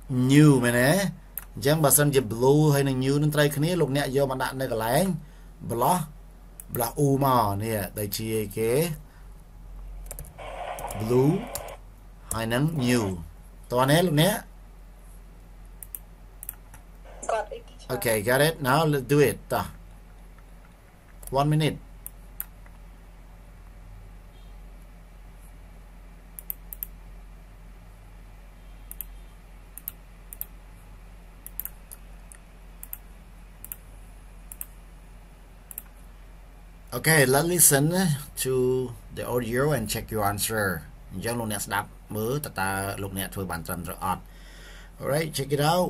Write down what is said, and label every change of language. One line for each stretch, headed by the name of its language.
Khmer: new មែនទេអញ្ចឹងបើសិនជា blue ហើយនឹង new នឹងត្រូវគ្នាលោកអ្នកយកមកដាក់នៅកន្លែងប្លោះប្លោះ u មកនេះដូចជាគេ blue ហើយនឹង new តោះណាលោកអ្នក
English: got it okay got it now let's do it 1 minute Okay, let's listen to the audio and check your answer.
Khmer: យើងលោកអ្នកស្ដាប់មើលតើតើលោកអ្នកធ្វើបានត្រឹមត្រូវអត់
English: All right, check it out.